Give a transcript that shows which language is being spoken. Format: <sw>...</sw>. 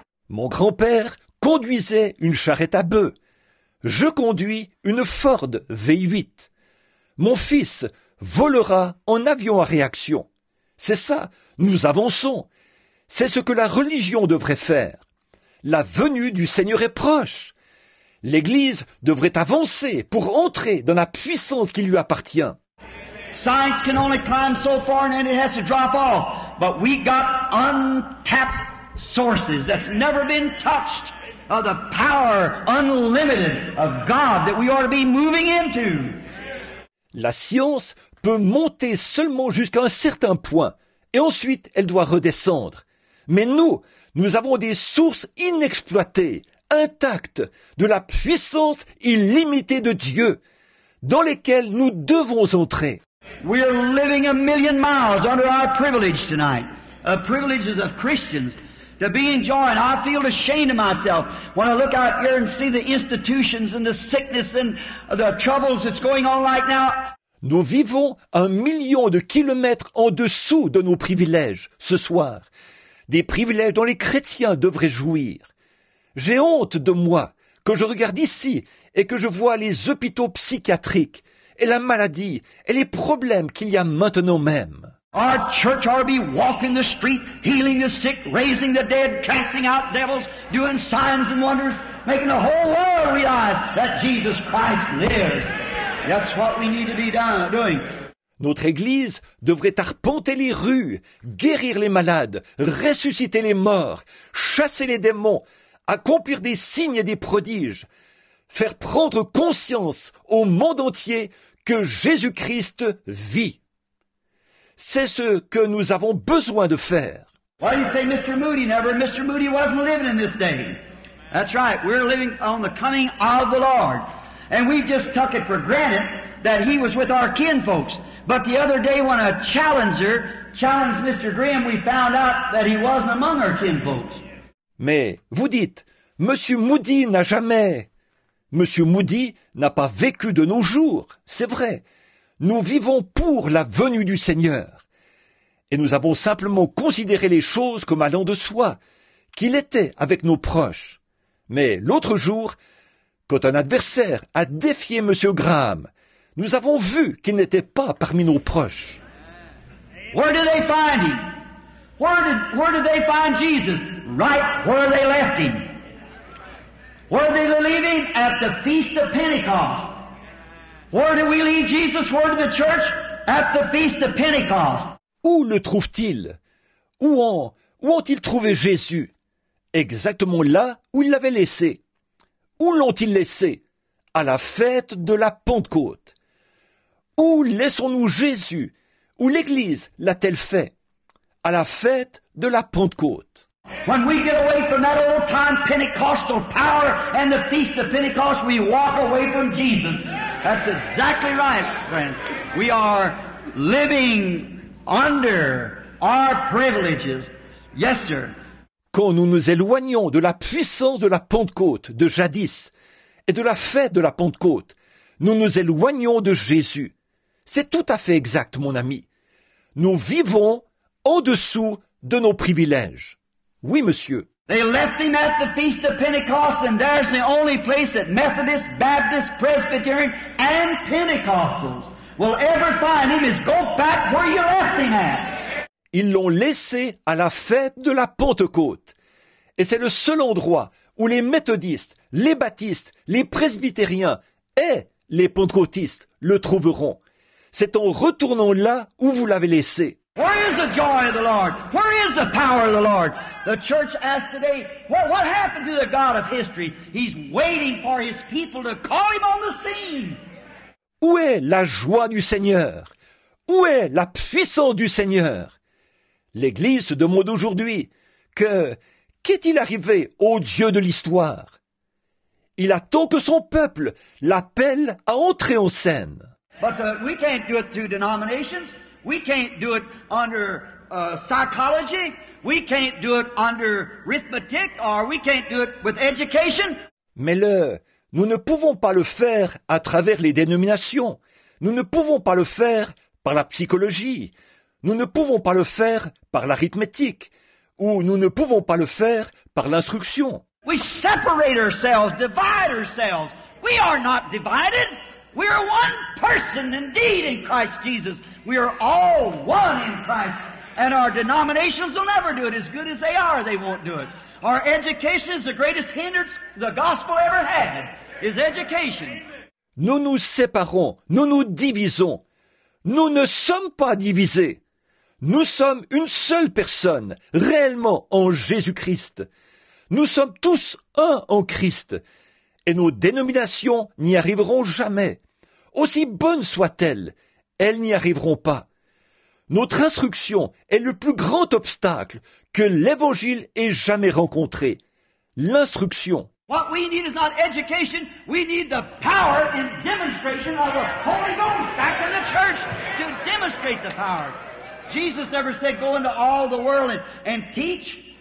<fr>Mon grand-père conduisait une charrette à bœufs. Je conduis une Ford V8. Mon fils volera en avion à réaction. C'est ça, nous avançons. C'est ce que la religion devrait faire. La venue du Seigneur est proche. L'Église devrait avancer pour entrer dans la puissance qui lui appartient.</fr> <en>Science can only climb so far and it has to drop off. But we got untapped sources that's never been touched of the power unlimited of God that we ought to be moving into.</en> <fr>La science peut monter seulement jusqu'à un certain point et ensuite elle doit redescendre. Mais nous, nous avons des sources inexploitées, intactes, de la puissance illimitée de Dieu, dans lesquelles nous devons entrer.</fr> <en>We are living a million miles under our privilege tonight, a privileges of Christians to be enjoying. I feel ashamed of myself when I look out here and see the institutions and the sickness and the troubles that's going on right now.</en> <fr>Nous vivons un million de kilomètres en dessous de nos privilèges ce soir, des privilèges dont les chrétiens devraient jouir. J'ai honte de moi que je regarde ici et que je vois les hôpitaux psychiatriques et la maladie et les problèmes qu'il y a maintenant même.</fr> <en>Our church ought to be walking the street, healing the sick, raising the dead, casting out devils, doing signs and wonders, making the whole world realize that Jesus Christ lives. That's what we need to be doing.</en> <fr>Notre Église devrait arpenter les rues, guérir les malades, ressusciter les morts, chasser les démons, accomplir des signes et des prodiges, faire prendre conscience au monde entier que Jésus-Christ vit. C'est ce que nous avons besoin de faire.</fr> <en>Why do you say Mr. Moody never? Mr. Moody wasn't living in this day. That's right, we're living on the coming of the Lord. And we just took it for granted that he was with our kin folks. But the other day when a challenger challenged Mr. Graham, we found out that he wasn't among our kin folks.</en> <fr>Mais vous dites, Monsieur Moody n'a jamais... Monsieur Moody n'a pas vécu de nos jours. C'est vrai. Nous vivons pour la venue du Seigneur. Et nous avons simplement considéré les choses comme allant de soi, qu'il était avec nos proches. Mais l'autre jour... Quand un adversaire a défié M. Graham, nous avons vu qu'il n'était pas parmi nos proches.</fr> <en>Where did they find him? Where did they find Jesus? Right where they left him. Where did they leave him? At the feast of Pentecost. Where did we leave Jesus? Where did the church? At the feast of Pentecost.</en> <fr>Où le trouvent-ils? Où ont-ils trouvé Jésus? Exactement là où ils l'avaient laissé. Où l'ont-ils laissé? À la fête de la Pentecôte. Où laissons-nous Jésus? Où l'Église l'a-t-elle fait? À la fête de la Pentecôte.</fr> <en>When we get away from that old-time Pentecostal power and the feast of Pentecost, we walk away from Jesus. That's exactly right, friend. We are living under our privileges. Yes, sir.</en> <fr>quand nous nous éloignons de la puissance de la Pentecôte de jadis et de la fête de la Pentecôte, nous nous éloignons de Jésus. C'est tout à fait exact, mon ami. Nous vivons en dessous de nos privilèges. Oui, monsieur.</fr> <en>They left him at the feast of Pentecost, and there's the only place that Methodists, Baptists, Presbyterians, and Pentecostals will ever find him is go back where you left him at.</en> <fr>Ils l'ont laissé à la fête de la Pentecôte. Et c'est le seul endroit où les méthodistes, les baptistes, les presbytériens et les pentecôtistes le trouveront. C'est en retournant là où vous l'avez laissé.</fr> <en>Where is the joy of the Lord? Where is the power of the Lord? The church asks today, what happened to the God of history? He's waiting for his people to call him on the scene.</en> <fr>Où est la joie du Seigneur? Où est la puissance du Seigneur? L'Église se demande aujourd'hui que qu'est-il arrivé au Dieu de l'histoire? Il attend que son peuple l'appelle à entrer en scène.</fr> <en>But we can't do it through denominations. We can't do it under psychology. We can't do it under arithmetic, or we can't do it with education.</en> <fr>Mais le, nous ne pouvons pas le faire à travers les dénominations. Nous ne pouvons pas le faire par la psychologie. Nous ne pouvons pas le faire par l'arithmétique, ou nous ne pouvons pas le faire par l'instruction.</fr> <en>We separate ourselves, divide ourselves. We are not divided. We are one person indeed in Christ Jesus. We are all one in Christ. And our denominations will never do it as good as they are. They won't do it. Our education is the greatest hindrance the gospel ever had, is education.</en> <fr>Nous nous séparons, nous nous divisons. Nous ne sommes pas divisés. Nous sommes une seule personne, réellement en Jésus-Christ. Nous sommes tous un en Christ. Et nos dénominations n'y arriveront jamais. Aussi bonnes soient-elles, elles n'y arriveront pas. Notre instruction est le plus grand obstacle que l'Évangile ait jamais rencontré. L'instruction.</fr> <en>What we need is not education, we need the power and demonstration of the Holy Ghost back in the church to demonstrate the power. Jesus never said go into all the world and teach.</en>